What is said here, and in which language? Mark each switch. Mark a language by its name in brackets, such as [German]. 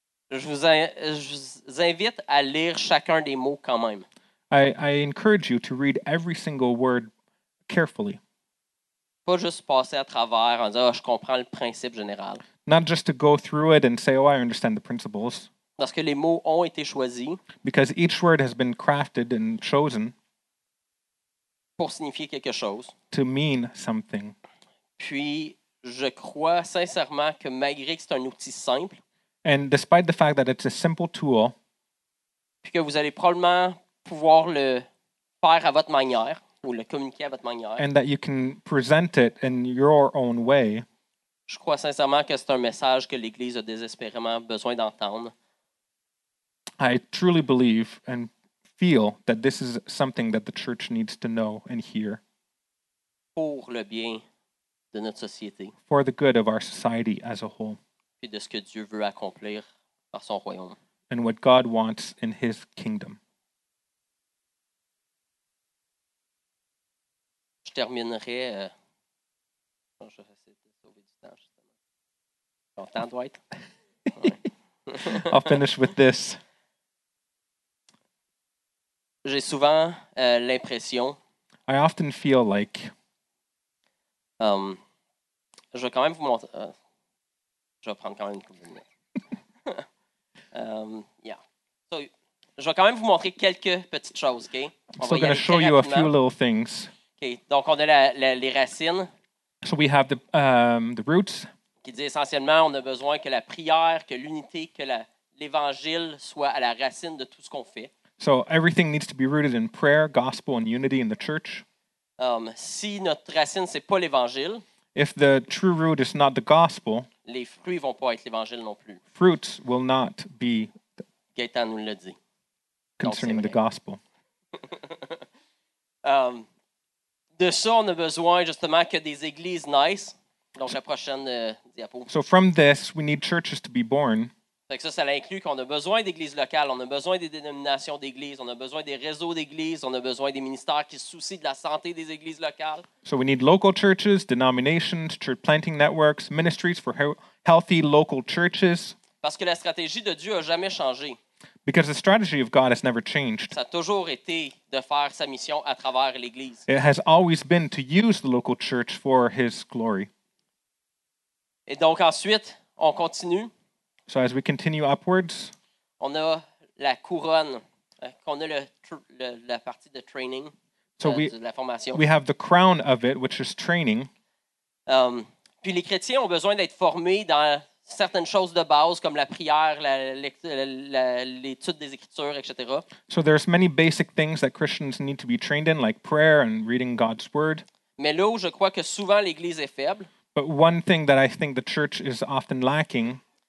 [French] Je vous invite à lire chacun des mots quand même. [English] I encourage you to read every single word carefully. [French] Pas juste passer à travers en disant oh, je comprends le principe général. [English] Not just to go through it and say oh I understand the principles. [French] Parce que les mots ont été choisis. [English] Because each word has been crafted and chosen. [French] Pour signifier quelque chose. [English] To mean something. [French] Puis je crois sincèrement que malgré que c'est un outil simple. [English] And despite the fact that it's a simple tool, [French] puis que vous allez probablement pouvoir le faire à votre manière ou le communiquer à votre manière, [English] and that you can present it in your own way, [French] je crois sincèrement que c'est un message que l'Église a désespérément besoin d'entendre. [English] I truly believe and feel that this is something that the church needs to know and hear. [French] Pour le bien de notre société. [English] For the good of our society as a whole. [French] De ce que Dieu veut accomplir par son royaume. [English] And what God wants in his kingdom. [French] Je terminerai. Je vais essayer de sauver du temps, justement. Ton temps, Dwight. [English] Ouais. I'll finish with this. [French] J'ai souvent l'impression. [English] I often feel like. [French] Je vais quand même vous montrer. Je vais prendre quand même une couple de minutes. So, je vais quand même vous montrer quelques petites choses, OK? [English] So, I'm going to show you a few little things. [French] OK, donc on a les racines. [English] So, we have the roots. [French] Qui dit essentiellement, on a besoin que la prière, que l'unité, que l'évangile soit à la racine de tout ce qu'on fait. [English] So, everything needs to be rooted in prayer, gospel, and unity in the church. [French] Si notre racine, ce n'est pas l'évangile, [English] if the true root is not the gospel, [French] les fruits vont pas être l'évangile non plus. [English] Fruits will not be. [French] Gaëtan nous l'a dit. [English] Concerning the gospel. [French] De ça, on a besoin justement que des églises naissent. Donc la prochaine diapo. [English] So from this, we need churches to be born. [French] Fait que ça l'inclut qu'on a besoin d'églises locales, on a besoin des dénominations d'églises, on a besoin des réseaux d'églises, on a besoin des ministères qui se soucient de la santé des églises locales. [English] So we need local churches, denominations, church planting networks, ministries for healthy local churches. [French] Parce que la stratégie de Dieu a jamais changé. [English] Because the strategy of God has never changed. [French] Ça a toujours été de faire sa mission à travers l'église. [English] It has always been to use the local church for his glory. [French] Et donc ensuite, on continue. [English] So as we continue upwards, [French] on a la couronne, qu'on a la partie de training, [English] so [French] de la formation. [English] We have the crown of it, which is training. [French] Puis les chrétiens ont besoin d'être formés dans certaines choses de base comme la prière, l'étude des Écritures, etc. [English] So there's many basic things that Christians need to be trained in, like prayer and reading God's word. [French] Mais là où je crois que souvent l'Église est faible. [English] But one thing that I think the church is often lacking.